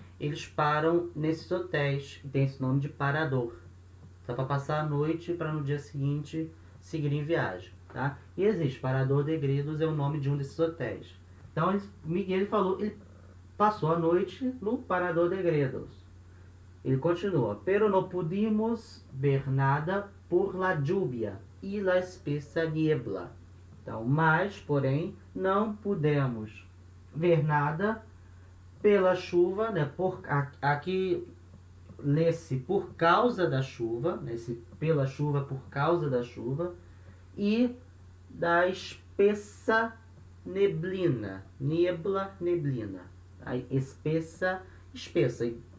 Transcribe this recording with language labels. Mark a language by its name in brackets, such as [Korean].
[Portuguese] Eles param nesses hotéis, que tem esse nome de parador. Só para passar a noite para no dia seguinte seguir em viagem. Tá? E existe, Parador de Gredos é o nome de um desses hotéis. Então, Miguel falou, ele passou a noite no Parador de Gredos. Ele continua, [Spanish] pero no pudimos ver nada por la lluvia y la espesa niebla. [Portuguese] Então, mas, porém, não pudemos ver nada pela chuva, né? Aqui lê-se por causa da chuva, né? Esse pela chuva, por causa da chuva, e da espessa neblina, niebla, neblina, a espessa, espessa.